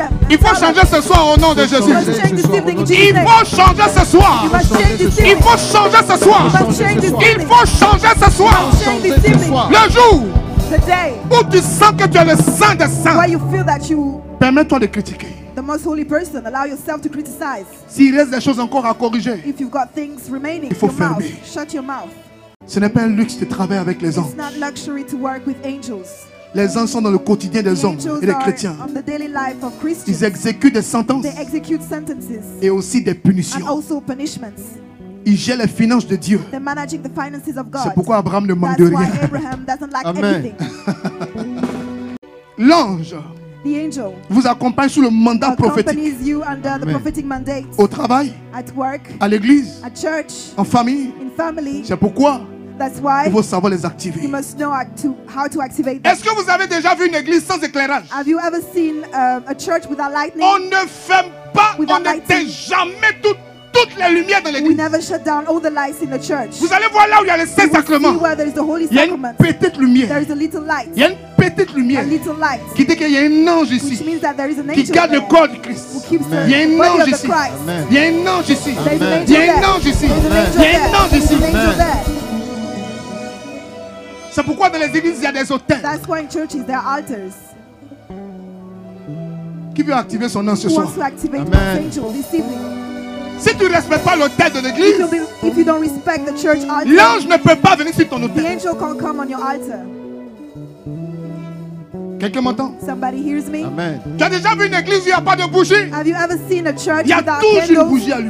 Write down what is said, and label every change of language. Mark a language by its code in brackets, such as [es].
[fr] Il faut changer ce soir au nom de Jésus. Il faut changer ce soir. Il faut changer ce soir. Il faut changer ce soir. Le jour où tu sens que tu es le saint des saints, permets-toi de critiquer. [en] The most holy person, allow yourself to criticize. [fr] S'il reste des choses encore à corriger, [en] if you've got things remaining, [fr] il faut fermer. [en] Shut your mouth. [fr] Ce n'est pas un luxe de travailler avec les anges. [en] It's not luxury to work with angels. [fr] Les anges sont dans le quotidien des hommes et des chrétiens. [en] On the daily life of Christians. [fr] Ils exécutent des sentences. [en] They execute sentences. [fr] Et aussi des punitions. [en] And also punishments. [fr] Ils gèrent les finances de Dieu. [en] They're managing the finances of God. [fr] C'est pourquoi Abraham ne manque [en] that's [fr] de rien. [en] Why Abraham doesn't lack amen. Anything. [fr] L'ange [en] the angel [fr] vous accompagne sous le mandat prophétique. [en] Accompanies you under the prophetic mandate. [fr] Au travail. [en] At work. [fr] À l'église. [en] At church. [fr] En famille. [en] In family. [fr] C'est pourquoi [en] that's why [fr] il faut savoir les activer. [en] You must know how to activate them. [fr] Est-ce que vous avez déjà vu une église sans éclairage? [en] Have you ever seen a church without lightning? [fr] On ne ferme pas, on n'éteint jamais tout toutes les lumières dans l'église. [en] We never shut down all the lights in the church. [fr] Vous allez voir là où il y a les saints sacrements. [en] Where there is the holy sacrament. [fr] Il y a une petite lumière. [en] There is a little light. [fr] Il y a une petite lumière. [en] A little light. [fr] Qui dit qu'il y a un ange ici. [en] Which means that there is an angel [fr] qui garde [en] there. [fr] Le corps du Christ. Il y a un ange ici. Il y a un ange ici. Il y a un ange ici. Il y a un ange ici. C'est pourquoi dans les églises il y a des autels. [en] That's why in churches there are altars. [fr] Qui veut activer son ange ce soir? [en] Who wants to activate his angel this evening? [fr] Si tu ne respectes pas l'autel de l'église, [en] if you don't respect the church altar, [fr] l'ange ne peut pas venir sur ton autel. [en] The angel can't come on your altar. [fr] Quelqu'un m'entend? [en] Somebody hears me? Amen. [fr] Tu as déjà vu une église où il n'y a pas de bougie? [en] Have you ever seen a church without candles? [fr] Il y a toujours Une bougie allumée.